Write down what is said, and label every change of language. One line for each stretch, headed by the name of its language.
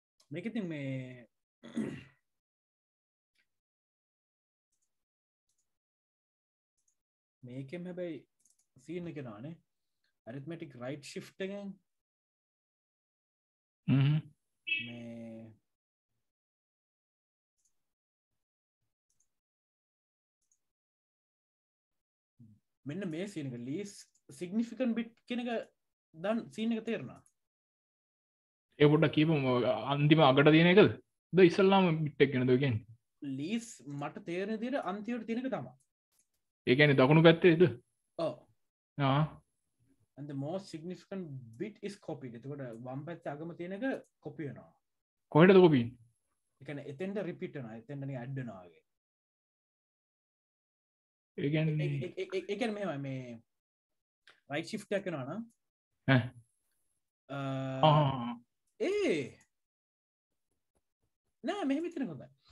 Sinhala: මේක ඉතින් මේ මේකෙම හැබැයි සීන් එක නානේ ඇරිත්මැටික් රයිට් ෂිෆ්ට් එකෙන් මේ මෙන්න මේ සීන් එක ලීස් සිග්නිෆිකන්ට් බිට් කියන එක දැන් සීන් එක තේරෙනවා. ඒ වුණා කීපම අන්තිම අගට තියෙන එකද? ද ඉස්සල්ලාම බිට් එක ගැනද ඔය කියන්නේ? ලීස් මට තේරෙන විදිහට අන්තිමට තියෙන එක තමයි. ඒ කියන්නේ දකුණු පැත්තේද? ඔව්. ආ.
English: And the most significant bit is copied.
Sinhala: එතකොට වම් පැත්තේ අගම තියෙන එක කොපි වෙනවා. කොහෙටද කොපි වෙන්නේ? ඒ කියන්නේ එතෙන්ට රිපීට් වෙනවා. එතෙන්ට නිකන් ඇඩ් වෙනවා වගේ. ඒ කියන්නේ ඒ කියන්නේ මෙහෙමයි මේ රයිට් ෂිෆ්ට් එක කරනවා නම් ඈ. ආ. ඒ නෑ මෙහෙම ඉතන හොඳයි.